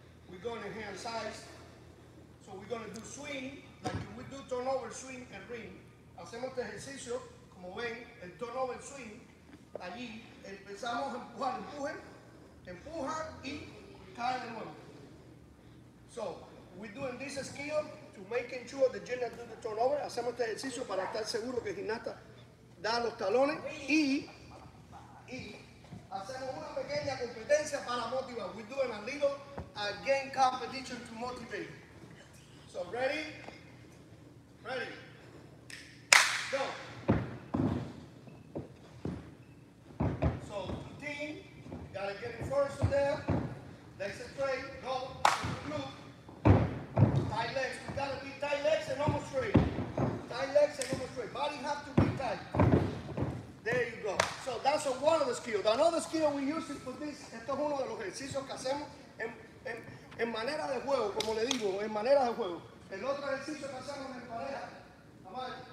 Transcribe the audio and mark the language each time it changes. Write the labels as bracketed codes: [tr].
[en] We're going to hand size. So we're going to do swing, like we do turnover, swing, and ring. [es] Hacemos este ejercicio, como ven, el turnover, swing. Allí empezamos a empujar, empujen, empuja y cae de nuevo. [en] So, we're doing this skill to make sure the gymnast do the turnover. [es] Hacemos este ejercicio para estar seguro que el gimnasta da los talones. Y hacemos una pequeña competencia para motivar. [en] We're doing a little game competition to motivate. So, ready? Ready. Go. So, team, gotta get in first of them. Legs straight, go. Tight legs, we gotta be tight legs and almost straight. Tight legs and almost straight. Body have to be tight. There you go. So, that's one of the skills. Another skill we use for this, [es] esto es uno de los ejercicios que hacemos en manera de juego, como le digo, en manera de juego. El otro ejercicio que hacemos en pareja, Tamar.